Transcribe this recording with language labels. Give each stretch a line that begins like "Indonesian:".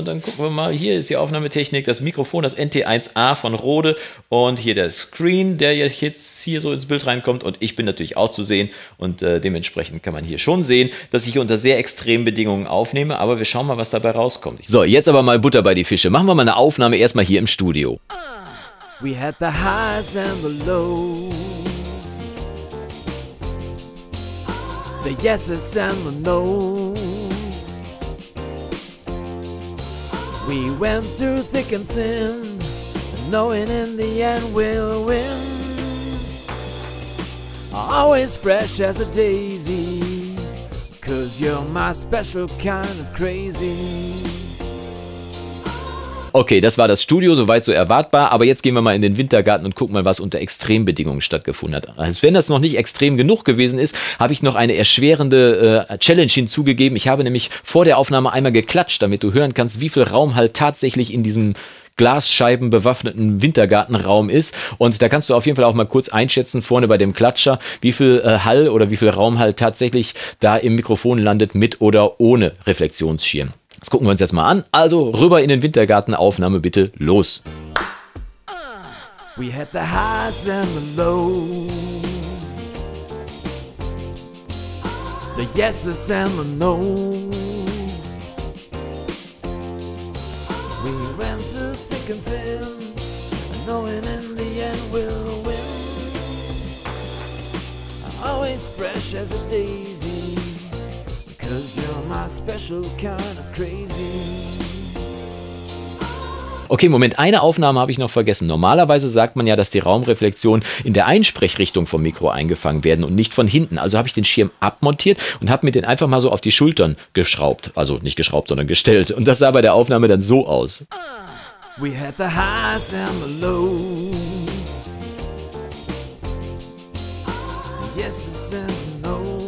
German: Und dann gucken wir mal, hier ist die Aufnahmetechnik, das Mikrofon, das NT1A von Rode und hier der Screen, der jetzt hier so ins Bild reinkommt. Und ich bin natürlich auch zu sehen und dementsprechend kann man hier schon sehen, dass ich hier unter sehr extremen Bedingungen aufnehme. Aber wir schauen mal, was dabei rauskommt. So, jetzt aber mal Butter bei die Fische. Machen wir mal eine Aufnahme erstmal hier im Studio.
English: We had the highs and the lows, the yeses and the noes. We went through thick and thin, knowing in the end we'll win. Always fresh as a daisy, 'cause you're my special kind of crazy.
German: Okay, das war das Studio, soweit so erwartbar, aber jetzt gehen wir mal in den Wintergarten und gucken mal, was unter Extrembedingungen stattgefunden hat. Als wenn das noch nicht extrem genug gewesen ist, habe ich noch eine erschwerende Challenge hinzugegeben. Ich habe nämlich vor der Aufnahme einmal geklatscht, damit du hören kannst, wie viel Raum halt tatsächlich in diesem Glasscheiben bewaffneten Wintergartenraum ist und da kannst du auf jeden Fall auch mal kurz einschätzen vorne bei dem Klatscher, wie viel Hall oder wie viel Raum halt tatsächlich da im Mikrofon landet mit oder ohne Reflexionsschirm. Das gucken wir uns jetzt mal an. Also rüber in den Wintergarten, Aufnahme bitte, los.
English: We had the highs and the lows, the yeses and the noes. We ran to thick and thin, knowing in the end we'll win. Always fresh as a daisy, 'cause you're my special kind of crazy.
German: Okay, Moment, eine Aufnahme habe ich noch vergessen. Normalerweise sagt man ja, dass die Raumreflexionen in der Einsprechrichtung vom Mikro eingefangen werden und nicht von hinten. Also habe ich den Schirm abmontiert und habe mir den einfach mal so auf die Schultern geschraubt. Also nicht geschraubt, sondern gestellt. Und das sah bei der Aufnahme dann so aus.
English: We had the highs and the lows. Yes, it's a no.